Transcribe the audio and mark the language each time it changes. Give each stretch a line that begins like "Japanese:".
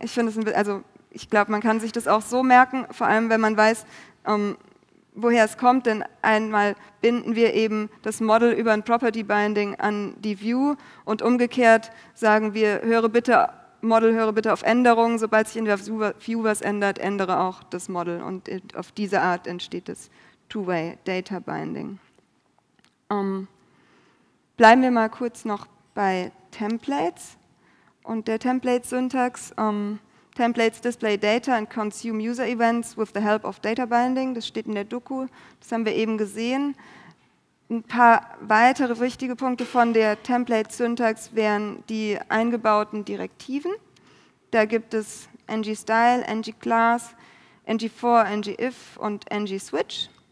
German: Ich finde es ein bisschen, also ich glaube, man kann sich das auch so merken, vor allem wenn man weiß, woher es kommt, denn einmal binden wir eben das Model über ein Property-Binding an die View und umgekehrt sagen wir, höre bitte auf Änderungen, sobald sich in der View was ändert, ändere auch das Model und auf diese Art entsteht das Two-Way-Data-Binding. Bleiben wir mal kurz noch bei Templates und der Template-Syntax.
English: Templates display data and consume user events with the help of data binding.
German: Das steht in der Doku, das haben wir eben gesehen. Ein paar weitere wichtige Punkte von der Template-Syntax wären die eingebauten Direktiven. Da gibt es ng-style, ng-class, ng-for, ng-if und ng-switch.